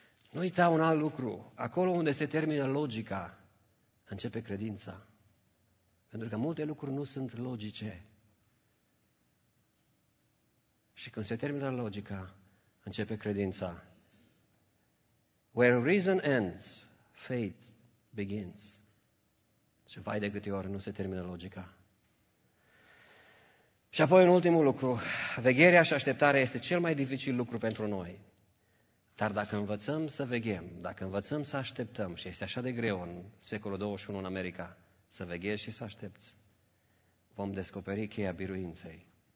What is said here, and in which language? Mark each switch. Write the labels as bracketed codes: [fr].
[ro] Nu uita un alt lucru. Acolo unde se termină logica, începe credința. Pentru că multe lucruri nu sunt logice. Și când se termină logica, începe credința. [en] Where reason ends, faith begins. [ro] Și vai de câte ori nu se termină logica. Și apoi un ultimul lucru. Vegherea și așteptarea este cel mai dificil lucru pentru noi. Dar dacă învățăm să veghem, dacă învățăm să așteptăm, și este așa de greu în secolul 21 în America, să veghezi și să aștepți, vom descoperi cheia biruinței.